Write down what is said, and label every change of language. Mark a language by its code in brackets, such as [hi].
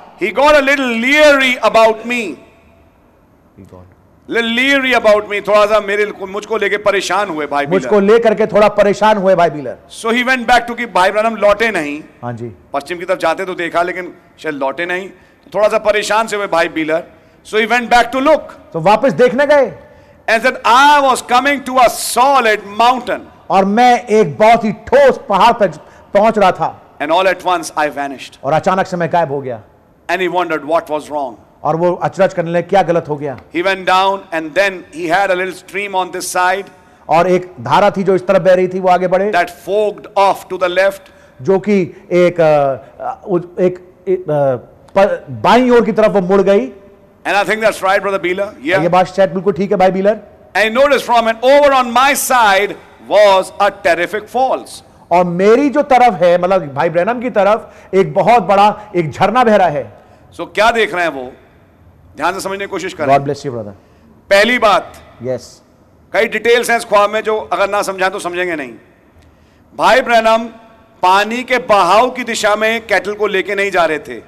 [en] he got a little leery about me Leery about me, [hi] थोड़ा सा मेरे मुझको लेके परेशान हुए भाई बीलर मुझको लेकर के थोड़ा परेशान हुए भाई Beeler [en] So he went back to [hi] कि भाई ब्रैनम लौटे नहीं हाँ जी पश्चिम की तरफ जाते तो देखा लेकिन शायद लौटे नहीं तो थोड़ा सा परेशान से हुए भाई Beeler [en] So he went back to look. [hi] तो वापस देखने गए [en] And said, I was coming to a solid mountain. [hi] और मैं एक बहुत ही ठोस पहाड़ पर पहुंच रहा था [en] And all at once I vanished. [hi] और अचानक से मैं गायब हो गया [en] And he wondered what was wrong. [hi] और वो अचरज करने लगे क्या गलत हो गया [en] He went down and then he had a little stream on this side. [hi] और एक धारा थी जो इस तरफ बह रही थी वो आगे बढ़े [en] That forked off to the left. [hi] जो कि एक एक बाईं ओर की तरफ वो मुड़ गई [en] And I think that's right, Brother Beeler. Yeah. [hi] ये बात शायद बिल्कुल ठीक है भाई Beeler [en] And he noticed from an over on my side was a terrific falls. [hi] और मेरी जो तरफ है मतलब भाई ब्रैनम की तरफ एक बहुत बड़ा एक झरना बह रहा है So क्या देख रहे हैं वो ध्यान से समझने की कोशिश करें [en] God bless you, brother. [hi] पहली बात [en] yes. [hi] कई डिटेल्स हैं इस ख्वाब में जो अगर ना समझाएं तो समझेंगे नहीं भाई ब्रैनम पानी के बहाव की दिशा में कैटल को लेके नहीं जा रहे थे